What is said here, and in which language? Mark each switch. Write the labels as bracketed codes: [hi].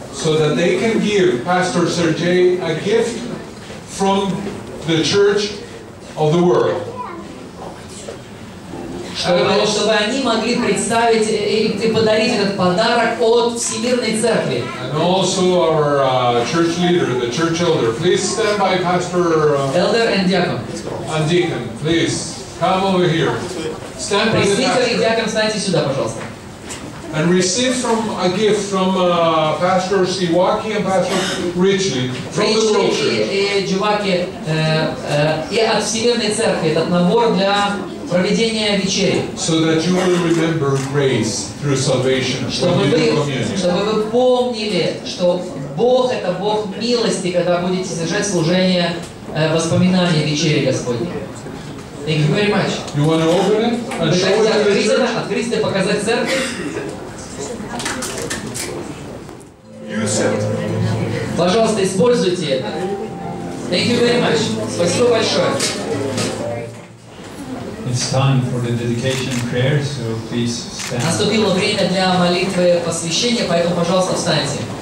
[en] So that they can give Pastor Sergei a gift from the Church of the World. [ru] Чтобы они могли представить и подарить этот подарок от Всемирной Церкви. [en] And also our church leader, the church elder. Please stand by Pastor... Elder and Deacon. And Deacon, please. Come over here. Stand by the pastor. [ru] Пресвитер и диакон, встаньте сюда, пожалуйста. [en] And receive from a gift from Pastor Iwaki and Pastor Richley from the World Church. [ru] И от Всемирной Церкви этот набор для проведения вечери. [en] So that you will remember grace through salvation. [ru] Чтобы вы помнили, что Бог — это Бог милости, когда будете совершать служение воспоминания вечери Господней. [en] Thank you very much. You want to open it and show it to the church? [ru] Открыть и показать церкви? [en] Use it. [ru] Пожалуйста, используйте это. [en] Thank you very much. [ru] Спасибо большое. [en] It's time for the dedication prayer, so please stand. [ru] Наступило время для молитвы посвящения, поэтому, пожалуйста, встаньте.